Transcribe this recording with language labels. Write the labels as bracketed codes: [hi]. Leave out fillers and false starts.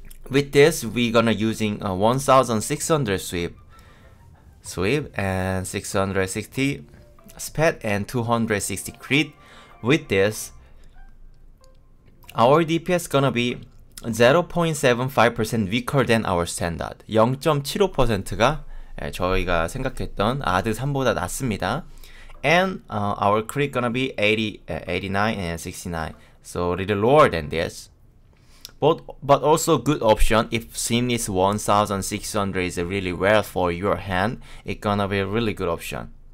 [en] With this, we're gonna using 1600 sweep and 660 speed and 260 crit. With this, our DPS gonna be 0.75% weaker than our standard. [ko] 0.75%가 저희가 생각했던 아드 3보다 낮습니다. [en] And our crit gonna be 89 and 69, so a little lower than this. But also good option if Swiftness 1600 is really well for your hand, it's gonna be a really good option.